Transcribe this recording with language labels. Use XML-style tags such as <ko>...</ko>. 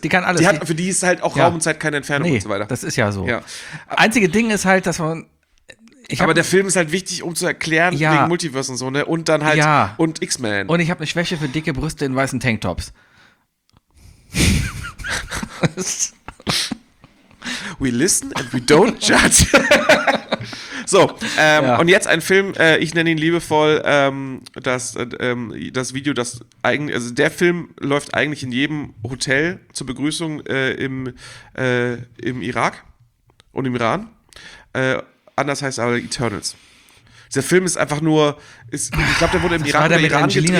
<de>Die kann alles. Für die ist halt auch Raum und Zeit keine Entfernung und so weiter. Das ist ja so. Ja. Einzige Ding ist halt, dass man. Aber der Film ist halt wichtig, um zu erklären, wegen Multiverse und so, ne? Und dann halt. Ja. Und X-Men. Und ich habe eine Schwäche für dicke Brüste in weißen Tanktops.</de> <en>We listen and we don't judge.</en> <de>So, und jetzt ein Film, ich nenne ihn liebevoll das Video, das eigentlich, also der Film läuft eigentlich in jedem Hotel zur Begrüßung im Irak und im Iran. Anders heißt aber Eternals. Der Film ist einfach nur, ich glaube, der wurde im Irak oder Iran gedreht. Das war der mit Angelina</de>